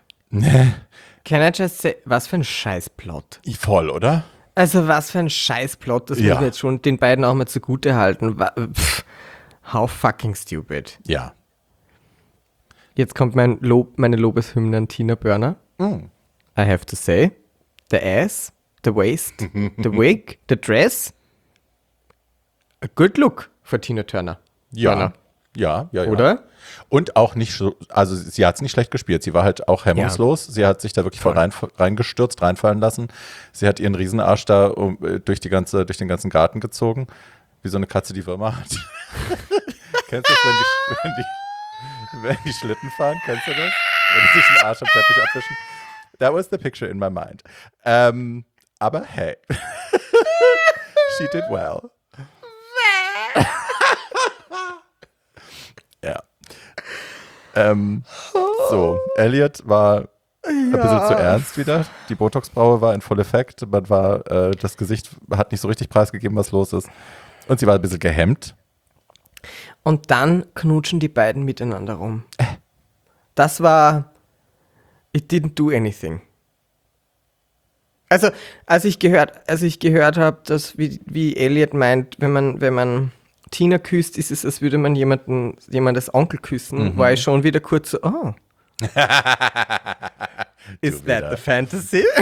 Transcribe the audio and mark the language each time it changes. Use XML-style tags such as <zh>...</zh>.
<en>Can I just say,</en> <de>was für ein Scheißplot? Voll, oder? Also was für ein Scheißplot, das muss ich jetzt schon den beiden auch mal zugute halten.</de> <en>How fucking stupid.</en> <de>Ja. Jetzt kommt meine Lobeshymne an Tina Burner.</de> <en>I have to say, the ass, the waist, the wig, the dress, a good look for Tina Turner.</en> <de>Oder? Und auch nicht so, also sie hat es nicht schlecht gespielt. Sie war halt auch hemmungslos. Ja. Sie hat sich da wirklich voll reingestürzt, reinfallen lassen. Sie hat ihren Riesenarsch da durch den ganzen Garten gezogen, wie so eine Katze, die Würmer hat. Kennst du das, wenn die Schlitten fahren? Kennst du das? wenn sie sich den Arsch am Teppich abwischen.</de> <en>That was the picture in my mind.</en> <de>Aber hey,</de> <en>she did well.</en> <de>Ja. So, Elliot war ein bisschen zu ernst wieder. Die Botox-Braue war in vollem Effekt. Man war, das Gesicht hat nicht so richtig preisgegeben, was los ist. Und sie war ein bisschen gehemmt. Und dann knutschen die beiden miteinander rum. Das war,</de> <en>it didn't do anything.</en> <de>Also, als ich gehört habe, dass wie Elliot meint, wenn man Tina küsst, ist es, als würde man jemandes Onkel küssen, war ich schon wieder kurz so, oh.</de> <en>Is that the fantasy?</en>